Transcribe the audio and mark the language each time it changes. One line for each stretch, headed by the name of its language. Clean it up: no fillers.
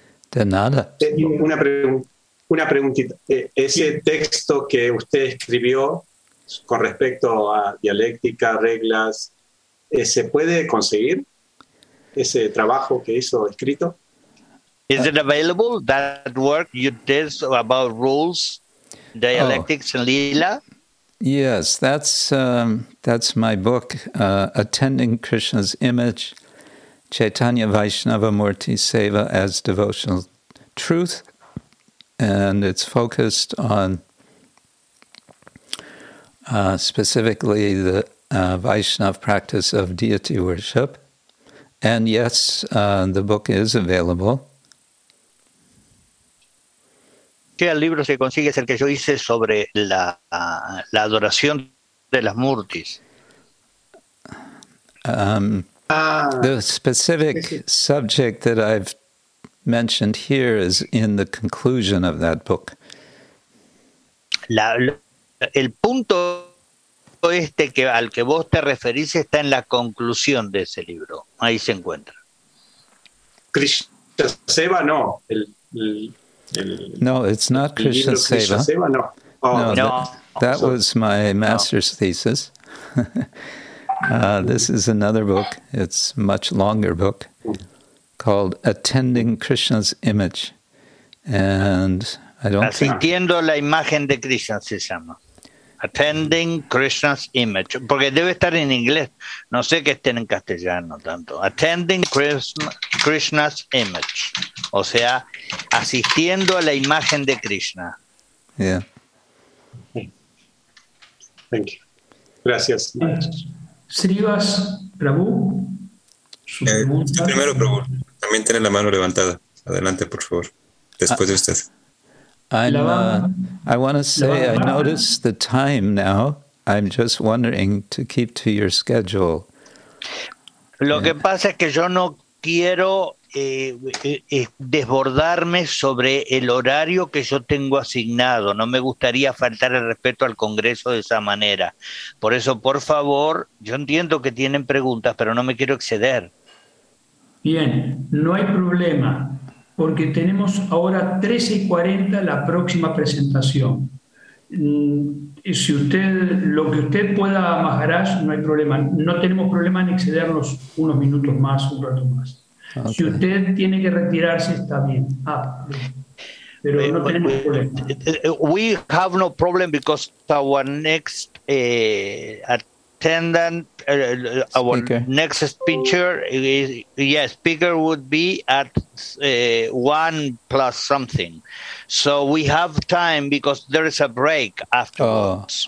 Spanish: De nada. Una pregunta. Una preguntita. Ese texto que usted escribió con respecto a dialéctica, reglas, ¿se puede conseguir ese trabajo que hizo escrito?
English: Is it available, that work you did about rules, dialectics, and Lila? Yes, that's my book, Attending Krishna's Image, Chaitanya Vaishnava Murti Seva as Devotional Truth. And it's focused on specifically the Vaishnava practice of deity worship. And yes, the book is available.
Spanish: ¿Qué libro se consigue? Es el que yo hice sobre la adoración de las murtis.
English: The specific subject that I've mentioned here is in the conclusion of that book.
Spanish: El punto este que al que vos te referís está en la conclusión de ese libro. Ahí se encuentra. Krishna Seva, no.
English: No, it's not Krishna Seva. No. Oh, no, no. That was my master's thesis. This is another book. It's a much longer book, called Attending Krishna's Image. And I don't think...
Spanish: Asistiendo la imagen de Krishna, se llama. Attending Krishna's Image. Porque debe estar en inglés. No sé que esté en castellano tanto.
English: Attending Krishna's Image.
Spanish: O sea, asistiendo a la imagen de Krishna.
English: Yeah. Thank you.
Spanish: Gracias. Sí, Srivas Prabhu. Primero, Prabhu, también tiene la mano levantada. Adelante, por favor. Después de usted.
English: I want to say I noticed the time now. I'm just wondering to keep to your schedule.
Spanish: Lo que pasa es que yo no quiero desbordarme sobre el horario que yo tengo asignado. No me gustaría faltar el respeto al Congreso de esa manera. Por eso, por favor, yo entiendo que tienen preguntas, pero no me quiero exceder. Bien, no hay problema, porque tenemos ahora 13:40 la próxima presentación. Si usted, lo que usted pueda, Maharaj, no hay problema. No tenemos problema en excedernos unos minutos más, un rato más. Okay. Si usted tiene que retirarse, está bien. Pero no tenemos problema.
English: We have no problem because our next attendant, our next speaker, speaker would be at 1:00+. So we have time because there is a break afterwards.